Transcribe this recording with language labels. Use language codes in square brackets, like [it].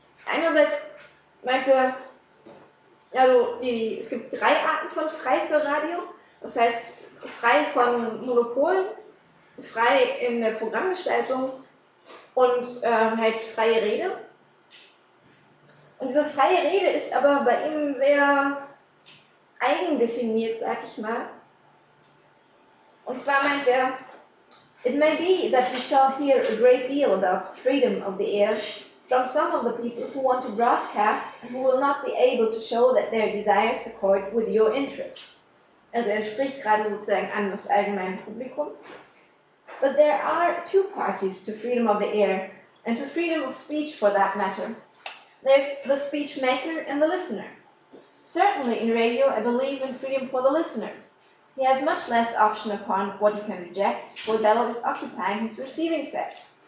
[de] Einerseits meinte, es gibt drei Arten von frei für Radio, das heißt frei von Monopolen, frei in der Programmgestaltung und halt freie Rede. Und diese freie Rede ist aber bei ihm sehr eigendefiniert, sag ich mal. Und zwar meint er, [en] it may be that we shall hear a great deal about freedom of the air from some of the people who want to broadcast and who will not be able to show that their desires accord with your interests. [de] Also er spricht gerade sozusagen an das allgemeine Publikum. [en] But there are two parties to freedom of the air and to freedom of speech for that matter. There's the speech maker and the listener. Certainly in radio I believe in freedom for the listener. He has much less option upon what he can reject, for Dello is occupying his receiving set.